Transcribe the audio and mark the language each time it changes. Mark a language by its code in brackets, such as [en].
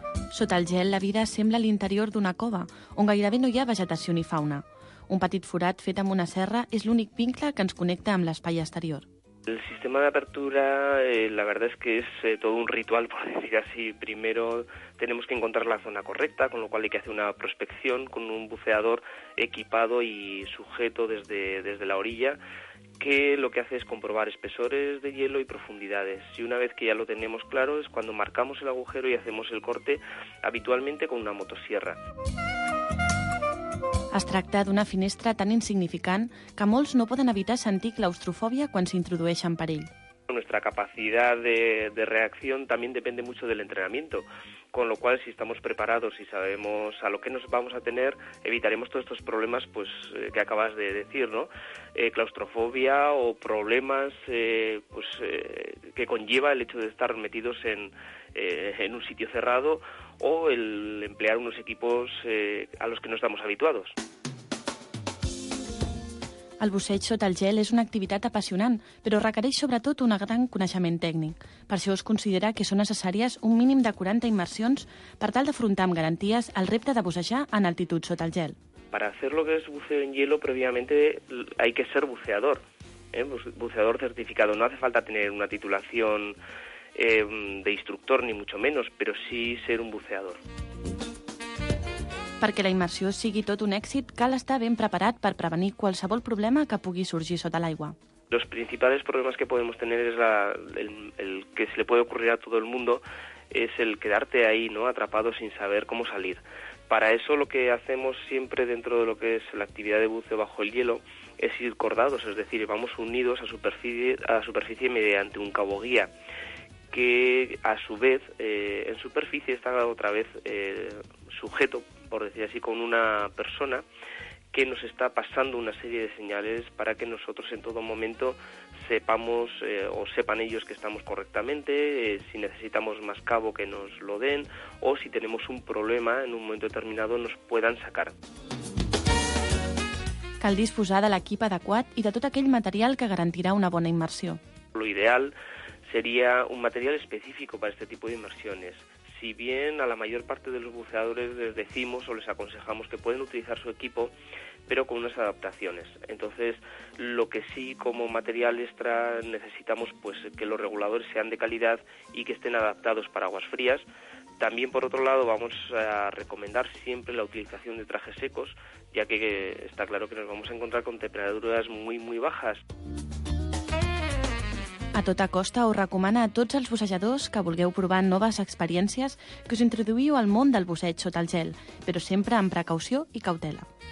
[ca] Sota el gel, la vida sembla l'interior d'una cova, on gairebé no hi ha vegetació ni fauna. Un petit forat fet amb una serra és l'únic vincle que ens connecta amb l'espai exterior. El sistema d'apertura, [es] la verdad es que es todo un ritual, por decir así. Primero tenemos que encontrar la zona correcta, con lo cual hay que hacer una prospección con un buceador equipado y sujeto desde la orilla, que lo que hace es comprobar espesores de hielo y profundidades. Y una vez que ya lo tenemos claro, es cuando marcamos el agujero y hacemos el corte, habitualmente con una motosierra. [ca] Es tracta d'una finestra tan insignificant que molts no poden evitar sentir claustrofòbia quan s'introdueixen per ell. [es] Bueno, nuestra capacidad de reacción también depende mucho del entrenamiento. Con lo cual, si estamos preparados y sabemos a lo que nos vamos a tener, evitaremos todos estos problemas pues que acabas de decir, ¿no? Claustrofobia o problemas que conlleva el hecho de estar metidos en un sitio cerrado o el emplear unos equipos a los que no estamos habituados. [ca] El busseig sota el gel és una activitat apassionant, però requereix sobretot un gran coneixement tècnic. Per això es considera que són necessàries un mínim de 40 immersions per tal d'afrontar amb garanties el repte de bussejar en altitud sota el gel. [es] Para hacer lo que es buceo en hielo, previamente hay que ser buceador, buceador certificado. No hace falta tener una titulación de instructor, ni mucho menos, pero sí ser un buceador. [ca] Perquè la immersió sigui tot un èxit, cal estar ben preparat per prevenir qualsevol problema que pugui sorgir sota l'aigua. [es] Los principales problemas que podemos tener es el que se le puede ocurrir a todo el mundo, es el quedarte ahí, ¿no?, atrapado sin saber cómo salir. Para eso lo que hacemos siempre dentro de lo que es la actividad de buceo bajo el hielo es ir cordados, es decir, vamos unidos a superficie mediante un cabo guía, que a su vez en superficie está otra vez sujeto, por decir así, con una persona que nos está pasando una serie de señales para que nosotros en todo momento sepamos o sepan ellos que estamos correctamente, si necesitamos más cabo que nos lo den o si tenemos un problema en un momento determinado nos puedan sacar. [ca] Cal disposar de l'equip adequat i de tot aquell material que garantirà una bona immersió. [es] Lo ideal sería un material específico para este tipo de inmersiones. Si bien a la mayor parte de los buceadores les decimos o les aconsejamos que pueden utilizar su equipo, pero con unas adaptaciones. Entonces, lo que sí como material extra necesitamos pues que los reguladores sean de calidad y que estén adaptados para aguas frías. También, por otro lado, vamos a recomendar siempre la utilización de trajes secos, ya que está claro que nos vamos a encontrar con temperaturas muy, muy bajas. [ca] A tota costa us recomana a tots els bussejadors que vulgueu provar noves experiències que us introduïu al món del busseig sota el gel, però sempre amb precaució i cautela.